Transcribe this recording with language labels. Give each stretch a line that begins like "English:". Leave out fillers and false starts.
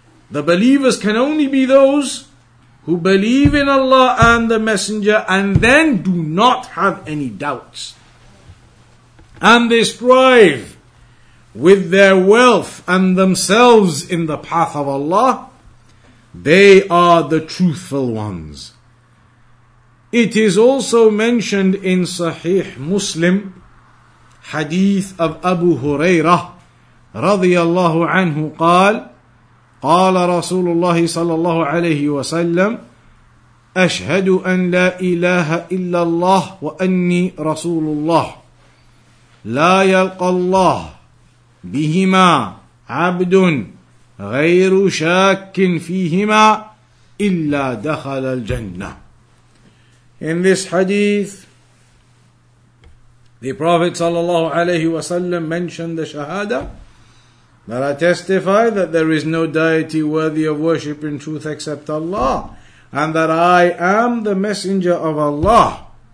English: The believers can only be those who believe in Allah and the Messenger and then do not have any doubts. And they strive with their wealth and themselves in the path of Allah. They are the truthful ones. It is also mentioned in Sahih Muslim, hadith of Abu Hurairah, radiyallahu anhu,
Arabic: قال رسول الله صلى الله عليه وسلم أشهد أن لا إله إلا الله وأني رسول الله لا يلقى الله بهما عبد غير شاك فيهما إلا دخل الجنة.
English: In this hadith, the Prophet sallallahu alayhi wa sallam mentioned the shahada, that I testify that there is no deity worthy of worship in truth except Allah, and that I am the messenger of Allah.